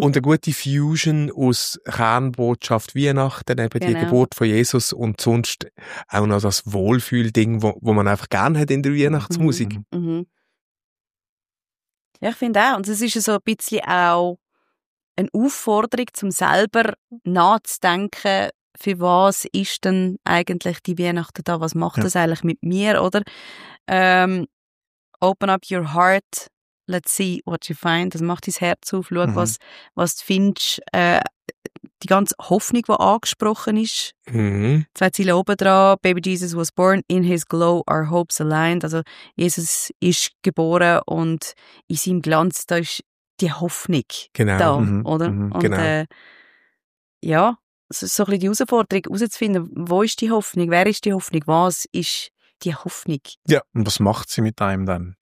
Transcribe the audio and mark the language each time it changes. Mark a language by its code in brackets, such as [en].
[de] Und eine gute Fusion aus Kernbotschaft Weihnachten, eben die Geburt von Jesus und sonst auch noch das Wohlfühl-Ding, wo man einfach gerne hat in der Weihnachtsmusik. Ja, ich finde auch. Und es ist so ein bisschen auch eine Aufforderung, zum selber nachzudenken, für was ist denn eigentlich die Weihnachten da? Was macht das eigentlich mit mir, oder? [en] Open up your heart, let's see what you find. [de] Das macht dein Herz auf, schau, was du findest. Die ganze Hoffnung, die angesprochen ist. Zwei Ziele oben dran. [en] Baby Jesus was born, in his glow our hopes aligned. [de] Also Jesus ist geboren und in seinem Glanz, da ist die Hoffnung da, oder? So ein bisschen die Herausforderung, herauszufinden, wo ist die Hoffnung, wer ist die Hoffnung, was ist die Hoffnung? Ja, und was macht sie mit einem dann?